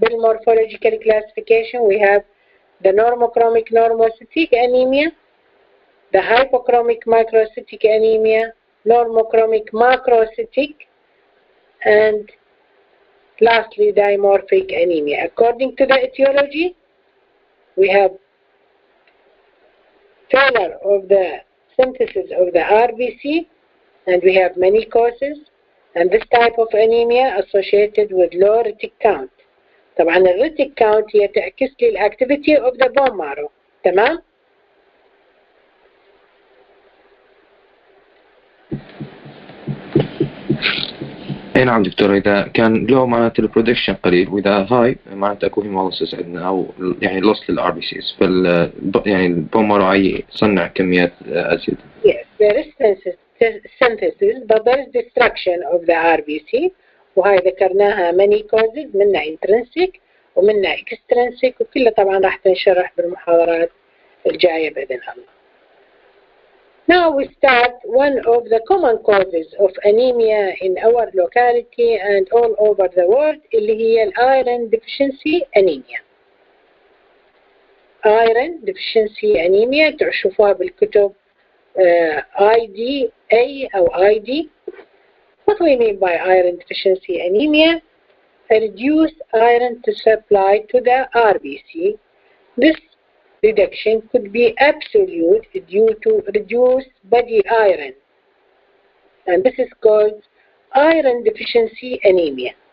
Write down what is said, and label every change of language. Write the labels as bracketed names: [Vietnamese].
[English] Morphological classification, we have the normochromic normocytic anemia, the hypochromic microcytic anemia, normochromic macrocytic, and lastly dimorphic anemia. According to the etiology, we have failure of the synthesis of the RBC, and we have many causes, and this type of anemia associated with low retic count. [Arabic] طبعا الريتيك count هي تعكس للactivity [English] of the bone marrow. [Arabic] تمام؟ اي نعم دكتور, اذا كان لو معناته البرودكشن قليل, واذا هاي معناته اكو هيمولسيس عندنا, او يعني لوس للار بي سيز, فال يعني البون مارو يصنع كميات اسيد. [English] Yes, there is synthesis but there is destruction of the RBC, [Arabic] وهي ذكرناها [English] many causes, منها intrinsic ومنها extrinsic, [Arabic] وكلها طبعا راح تنشرح بالمحاضرات الجايه باذن الله. [English] Now we start one of the common causes of anemia in our locality and all over the world, [Arabic] اللي هي [English] iron deficiency anemia. Iron deficiency anemia, [Arabic] تشوفوها بالكتب [English] ID A أو ID. What we mean by iron deficiency anemia? A reduced iron to supply to the RBC. This reduction could be absolute due to reduced body iron. And this is called iron deficiency anemia.